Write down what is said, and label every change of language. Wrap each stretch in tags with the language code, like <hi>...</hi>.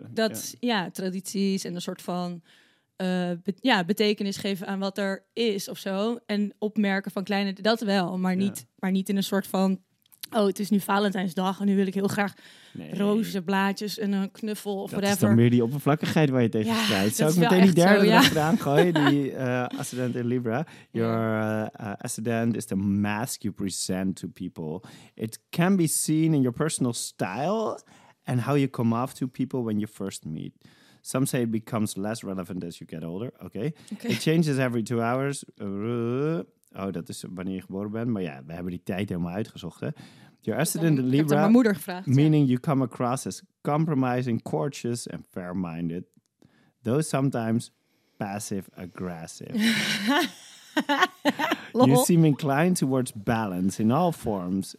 <nl>en dat, tradities en een soort van betekenis geven aan wat er is of zo. En opmerken van kleine, dat wel, maar niet, maar niet in een soort van, het is nu Valentijnsdag en nu wil ik heel graag roze blaadjes en een knuffel of</nl> <en>whatever.</en> <nl>Dat is dan meer die oppervlakkigheid waar je tegen strijdt. Zou ik meteen die derde eraan gooien? Die ascendant in Libra.</nl> <en>Your ascendant is the mask you present to people. It can be seen in your personal style and how you come off to people when you first meet. Some say it becomes less relevant as you get older. Okay. It changes every 2 hours.</en> <nl>Dat is wanneer je geboren bent. Maar ja, we hebben die tijd helemaal uitgezocht.</nl> <en>Hè? Your ascendant in Libra.</en> <nl>Ik heb mijn moeder gevraagd.</nl> <en>Meaning you come across as compromising, courteous and fair-minded. Though sometimes passive-aggressive. You seem inclined towards balance in all forms.</en>